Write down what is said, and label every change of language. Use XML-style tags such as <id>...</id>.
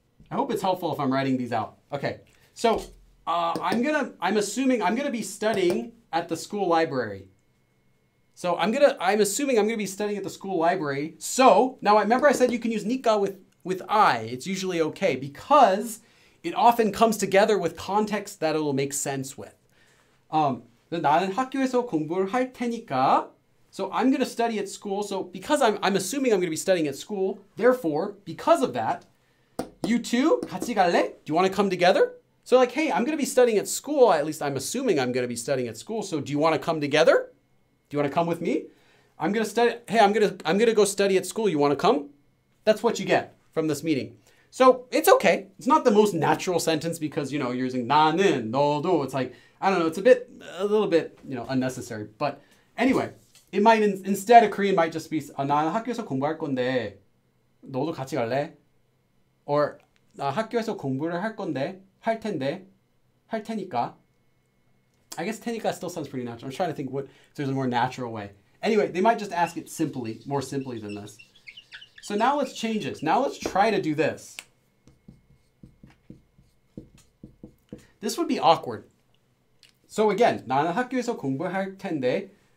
<en>I hope it's helpful if I'm writing these out. Okay. So I'm gonna be studying at the school library. So I'm assuming I'm gonna be studying at the school library. So now remember I said you can use Nika with I, it's usually okay because it often comes together with context that it will make sense with.</en> <ko>나는 학교에서 공부를 할 테니까.</ko> <en>So I'm going to study at school. So because I'm assuming I'm going to be studying at school, therefore, because of that, you too,</en> <ko>같이 갈래?</ko> <en>Do you want to come together? So like, hey, I'm going to be studying at school. At least I'm assuming I'm going to be studying at school. So do you want to come together? Do you want to come with me? I'm going to study. Hey, I'm going to go study at school. You want to come? That's what you get from this meeting. So it's okay. It's not the most natural sentence because, you know, you're using</en> <ko>나는, 너도.</ko> <en>It's like, I don't know. It's a little bit, you know, unnecessary. But anyway, it might, instead a Korean might just be</en> <ko>나는 학교에서 공부할 건데 너도 같이 갈래? Or 학교에서 공부를 할 건데 할 텐데 할 테니까.</ko> <en>I guess 테니까 still sounds pretty natural. I'm trying to think what, if there's a more natural way. Anyway, they might just ask it simply, more simply than this. So now let's change this. Now let's try to do this. This would be awkward. So again,</en> <ko>나는 학교에서 공부할 텐데.</ko>